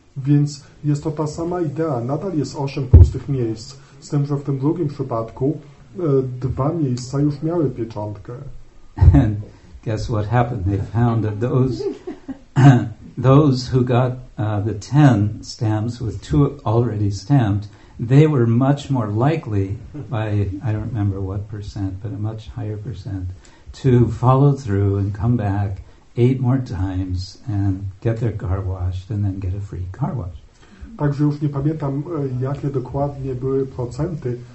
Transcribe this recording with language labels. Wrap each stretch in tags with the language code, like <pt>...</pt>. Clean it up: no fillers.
<pl>Więc jest to ta sama idea, nadal jest 8 pustych miejsc, z tym, że w tym drugim przypadku 2 miejsca już miały pieczątkę.</pl> <en>And guess what happened? They found that those those who got the 10 stamps with two already stamped, they were much more likely, by I don't remember what percent, but a much higher percent, to follow through and come back 8 more times and get their car washed and then get a free car wash.</en> <pl>Także już nie pamiętam, jakie dokładnie były procenty.</pl>